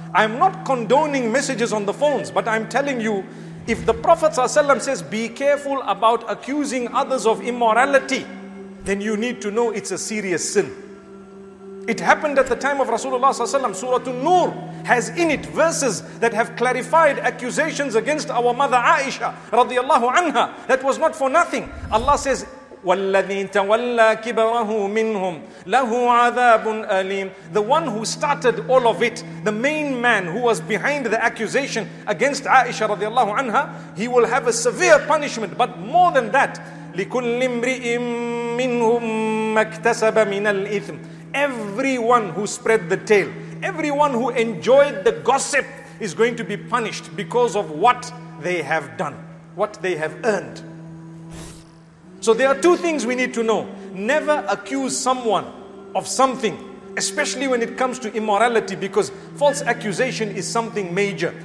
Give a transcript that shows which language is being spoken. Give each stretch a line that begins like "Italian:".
English: I'm not condoning messages on the phones, but I'm telling you, if the Prophet ﷺ says, be careful about accusing others of immorality, then you need to know it's a serious sin. It happened at the time of Rasulullah ﷺ. Surah An-Nur has in it verses that have clarified accusations against our mother Aisha radiallahu anha. That was not for nothing. Allah says,
Arabic: وَالَّذِي تَوَلَّى كِبَرَهُ مِنْهُمْ لَهُ عَذَابٌ أَلِيمٌ.
English: The one who started all of it, the main man who was behind the accusation against Aisha radiallahu anha, he will have a severe punishment. But more than that,
Arabic: لِكُلِّ امْرِئٍ مِّنْهُمْ مَكْتَسَبَ مِنَ الْإِثْمِ.
English: Everyone who spread the tale, everyone who enjoyed the gossip is going to be punished because of what they have done, what they have earned. So there are two things we need to know. Never accuse someone of something, especially when it comes to immorality, because false accusation is something major.